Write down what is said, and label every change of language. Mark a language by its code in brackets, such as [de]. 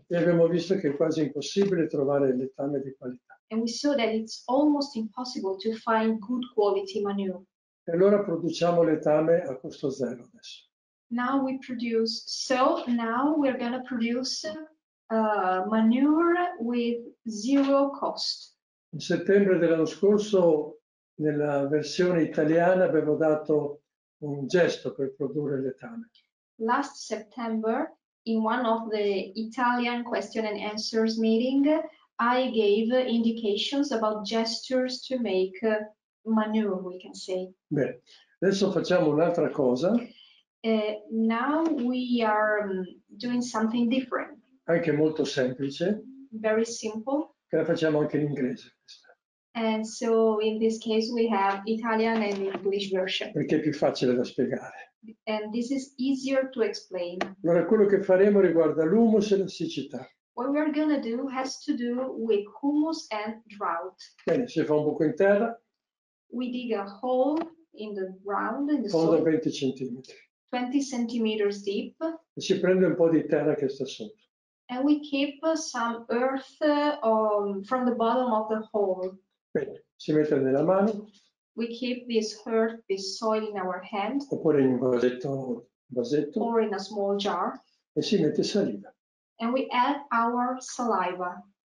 [it] E abbiamo visto che è quasi impossibile trovare l'etame di qualità. [en] And we saw that it's almost impossible to find good quality manure. [it] E allora produciamo l'etame a costo zero adesso. [en] Now we produce. So now we're going to produce manure with zero cost. [it] In settembre dell'anno scorso, nella versione italiana, avevo dato un gesto per produrre l'etame. [en] Last September, in one of the Italian question and answers meeting, I gave indications about gestures to make manure, we can say. [it] Bene, adesso facciamo un'altra cosa. [en] Now we are doing something different. [it] Anche molto semplice. [en] Very simple. [it] Che la facciamo anche in inglese. [en] And so in this case we have Italian and English version. [it] Perché è più facile da spiegare. [en] And this is easier to explain. [it] Allora quello che faremo riguarda l'humus e la siccità. [en] What we are going to do has to do with humus and drought. [it] Bene, si fa un buco in terra. [en] We dig a hole in the ground, in the soil. [it] Fondo 20 centimetri. [en] 20 centimeters deep. [it] E si prende un po' di terra che sta sotto. [en] And we keep some earth from the bottom of the hole. [it] Bene, si mette nella mano. [en] We keep this earth, this soil in our hand. [it] Oppure in un vasetto. [en] Or in a small jar. [it] E si mette saliva. [en] And we add our saliva.